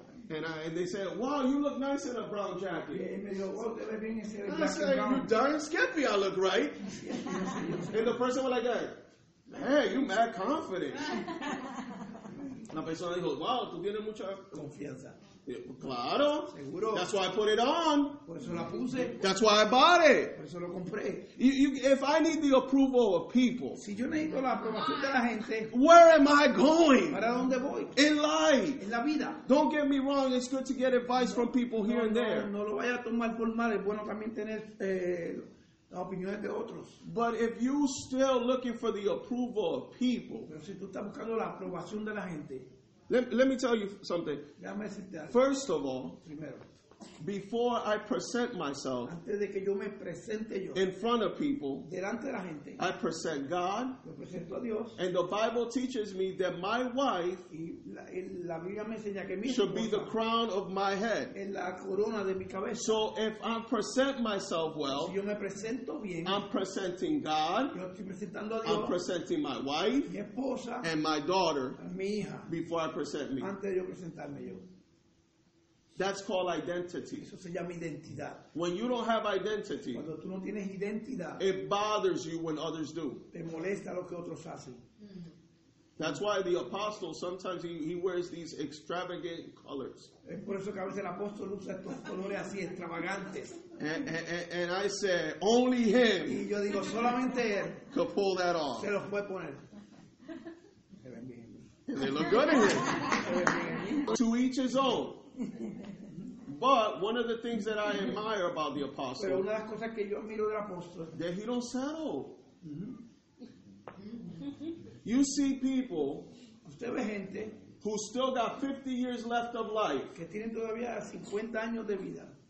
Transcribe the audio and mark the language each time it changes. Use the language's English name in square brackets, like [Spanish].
[English] And they said, wow, you look nice in a brown jacket. And I said, you're darn skimpy, I look right. And the person was like, hey, you mad confident. [Spanish] La persona dijo, wow, tú tienes mucha confianza. Claro. Seguro. [English] That's why I put it on. [Spanish] Por eso la puse. [English] That's why I bought it. [Spanish] Por eso lo compré. [English] You, if I need the approval of people, [Spanish] si yo necesito la aprobación de la gente, [English] where am I going? [Spanish] ¿Para dónde voy? [English] In life. [Spanish] En la vida. [English] Don't get me wrong. It's good to get advice from people here and there. [Spanish] No lo vaya a tomar por mal. Es bueno también tener las opiniones de otros. [English] But if you still looking for the approval of people, [Spanish] pero si tú estás buscando la aprobación de la gente, [English] Let me tell you something. First of all, [Spanish] primero, [English] before I present myself [Spanish] antes de que yo me presente yo, [English] in front of people, [Spanish] delante de la gente, [English] I present God. [Spanish] Yo presento a Dios, [English] and the Bible teaches me that my wife [Spanish] la Biblia me enseña que mi [English] should be the crown of my head. [Spanish] En la corona de mi cabeza. [English] So if I present myself well, [Spanish] si yo me presento bien, [English] I'm presenting God. [Spanish] Yo estoy presentando a Dios, [English] I'm presenting my wife, [Spanish] mi esposa, [English] and my daughter, [Spanish] mi hija, [English] before I present me. [Spanish] Antes de yo presentarme yo. [English] That's called identity. [Spanish] Eso se llama identidad. [English] When you don't have identity, [Spanish] cuando tú no tienes identidad, [English] it bothers you when others do. [Spanish] Te molesta lo que otros hacen. [English] That's why the apostle, sometimes he wears these extravagant colors. [Spanish] Es por eso que a veces el apóstol usa estos colores así, extravagantes. [English] And I say, only him [Spanish] y yo digo, solamente él [English] could pull that off. [Spanish] Se los puede poner. [English] And they look good in him. To each his own. But one of the things that I admire about the apostle, [Spanish] pero una de las cosas que yo admiro del apóstol, [English] that he don't settle. You see people, [Spanish] usted ve gente, [English] who still got 50 years left of life. [Spanish] Que tienen todavía 50 años de vida.